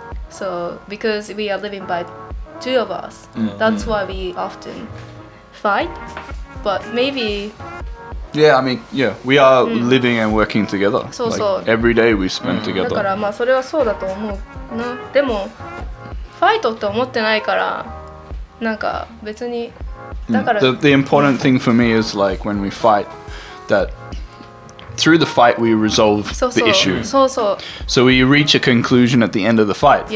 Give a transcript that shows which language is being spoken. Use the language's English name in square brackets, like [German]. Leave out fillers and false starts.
[English] So because we are living by two of us, that's why we often fight. But maybe. Yeah, I mean, yeah, we are living and working together. So, like, so. Every day we spend together. [Japanese] だからまあそれはそうだと思うな。でもファイトって思ってないからなんか別にだから。 [English] The important thing for me is like when we fight that. Through the fight, we resolve the issue. So we reach a conclusion at the end of the fight.